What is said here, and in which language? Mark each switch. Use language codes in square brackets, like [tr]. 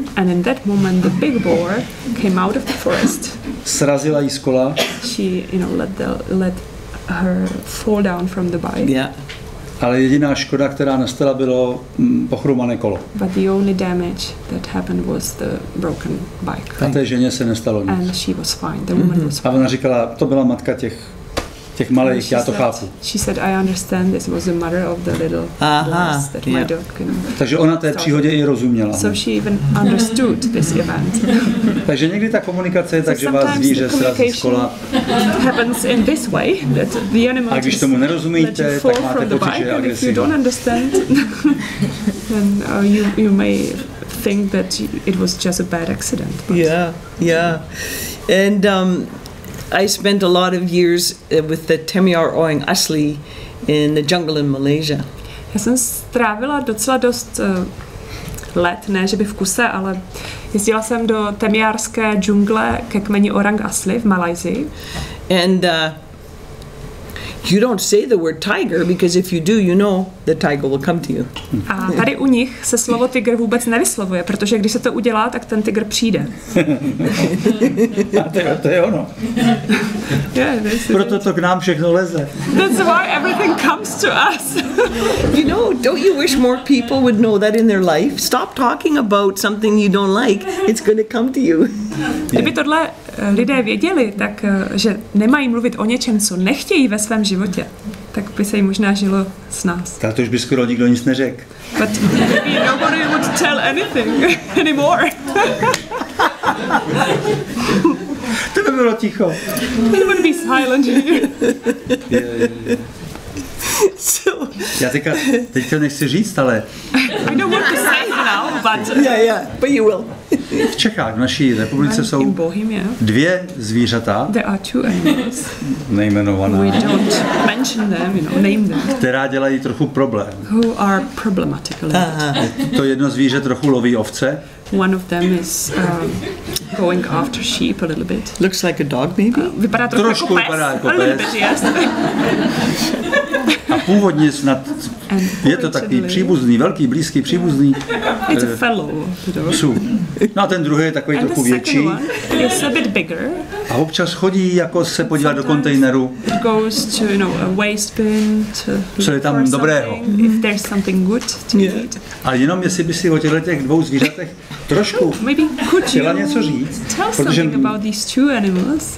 [en] And in that moment the big boar came out of the forest. [cs] Srazila jí z kola. [en] She, you know, let her fall down from the bike. Yeah. [cs] Ale jediná škoda, která nastala, bylo pochrumané kolo. [en] But the only damage that happened was the broken bike. [cs] A té ženě se nestalo nic. [en] And she was fine. The woman was fine. [cs] A ona říkala, to byla matka těch malých, já to chápu. [en] She said, I understand this was the mother of the little boars that my dog can... [cs] Takže ona té příhodě i rozuměla. [en] So she even understood this event. [cs] Takže někdy ta komunikace je tak, že vás zvíře srazí z kola. [en] Happens in this way, that the animal [cs] a když tomu nerozumíte, tak máte pocit, že je agresivní. [en] If you don't understand, then you may think that it was just a bad accident. Yeah. And I spent a lot of years with the Temiar Oeng Asli in the jungle in Malaysia. [cs] Já jsem strávila docela dost let, ne že by v kuse, ale jezdila jsem do temiárské džungle ke kmeni Orang Asli v Malajzii. [en] And you don't say the word tiger because if you do, you know the tiger will come to you. [cs] A tady u nich se slovo tygr vůbec nevyslovuje, protože když se to udělá, tak ten tygr přijde. to je ono. [en] Yeah, [cs] proto to k nám všechno leze. [en] That's why everything comes to us. You know, don't you wish more people would know that in their life? Stop talking about something you don't like. It's going to come to you. [cs] Kdyby tohle lidé věděli, tak že nemají mluvit o něčem, co nechtějí ve svém životě, tak by se jim možná žilo s nás. Tak to už by skoro nikdo nic neřek. [en] But maybe nobody would tell anything anymore. [cs] To by bylo ticho. [en] It would be silent here. [cs] Já teď to nechci říct, ale... [en] I don't want to say it now, but... Yeah, but you will. [cs] V Čechách, v naší republice, jsou dvě zvířata. [en] There are two animals. [cs] Nejmenovaná. [en] We don't mention them, you know, name them. [cs] Která dělají trochu problém. [en] Who are problematic a little bit. [cs] To jedno zvíře trochu loví ovce. [en] One of them is going after sheep a little bit. Looks like a dog, maybe? [cs] Vypadá trochu jako pes. [en] Jako a little bit, yes. [cs] A původně snad je to takový příbuzný, velký, blízký příbuzný [en] It's a fellow, [cs] psů. No a ten druhý je takový trochu větší. [en] It's a bit bigger. [cs] A občas chodí jako se podívat do kontejneru. [en] It goes to, you know, a waste bin to [cs] co je tam dobrého. [en] If there's something good to eat. [cs] A jenom jestli by si o těch dvou zvířatech trošku chtěla něco říct. [en] Tell something about these two animals.